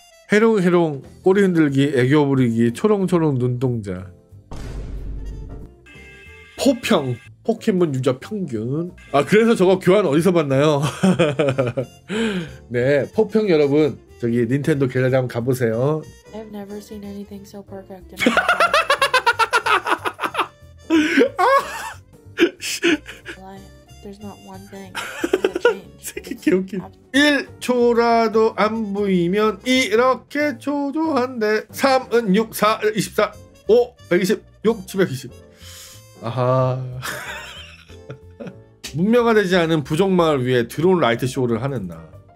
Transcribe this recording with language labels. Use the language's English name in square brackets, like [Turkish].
[Korean] 해롱해롱 꼬리 흔들기 애교 부리기 초롱초롱 눈동자. 포평 포켓몬 유저 평균. 아 그래서 저거 교환 어디서 봤나요? 네 포평 여러분 저기 닌텐도 갤러리 한번 가보세요. [English] I've never seen anything so perfect in There's not one thing. [Korean] 새끼 개웃긴. 1초라도 안 보이면 이렇게 초조한데. 3은 6, 4은 24, 5, 120, 6, 720. 아하. 문명화되지 않은 부족마을 위에 드론 라이트 쇼를 하는 나.